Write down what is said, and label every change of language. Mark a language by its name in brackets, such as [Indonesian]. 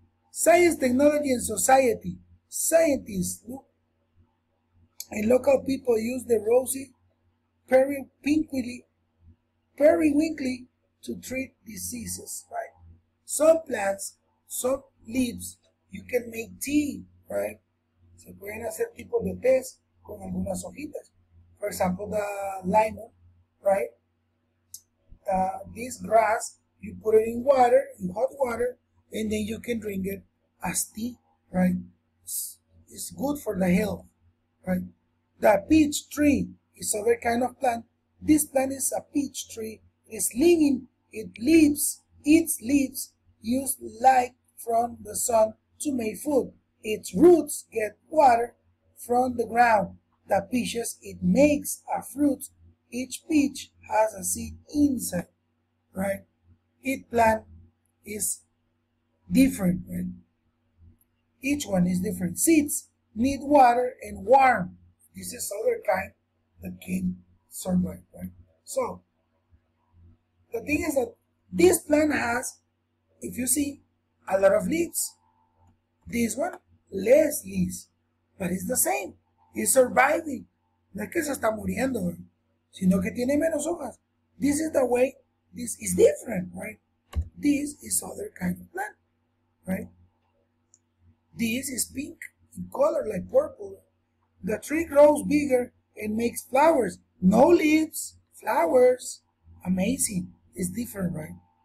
[English] Science, technology, and society. Scientists and local people use the rosy periwinkle to treat diseases, right? Some plants, some leaves, you can make tea, right? [Spanish] Se pueden hacer tipo de té con algunas hojitas. [English] For example, the lime, right? This grass, you put it in water, in hot water, and then you can drink it as tea, right? It's good for the health, right? The peach tree is another kind of plant. This plant is a peach tree. It's living, its leaves use light from the sun to make food. Its roots get water from the ground. The peaches it makes are fruits. Each peach has a seed inside, right? Each plant is different, right? Each one is different. Seeds need water and warm. This is other kind that can survive, right? So, the thing is that this plant has, if you see, a lot of leaves. This one, less leaves, but it's the same. It's surviving. [Spanish] No es que se está muriendo, sino que tiene menos hojas. [English] This is the way, this is different, right? This is other kind of plant, right? This is pink in color, like purple. The tree grows bigger and makes flowers. No leaves, flowers. Amazing. It's different, right?